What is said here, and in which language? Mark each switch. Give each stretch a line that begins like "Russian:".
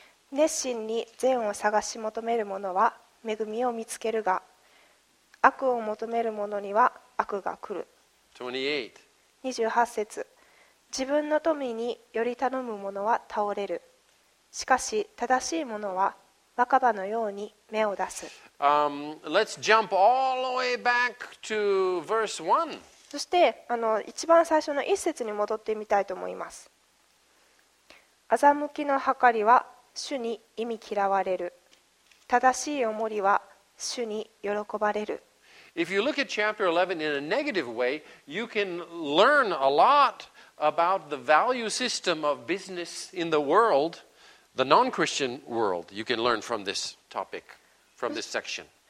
Japanese: 熱心に善を探し求める者は恵みを見つけるが、悪を求める者には悪が来る。 28節。自分の富により頼む者は倒れる。しかし正しい者は若葉のように芽を出す。
English: Let's jump all the way back to verse 1.
Japanese: そして一番最初の一節に戻ってみたいと思います。欺きの計りは主に忌み嫌われる。正しい重りは主に喜ばれる。
English: If you look at chapter 11 in a negative way, you can learn a lot about the value system of business in the world, the non-Christian world. You can learn from this topic, from this section.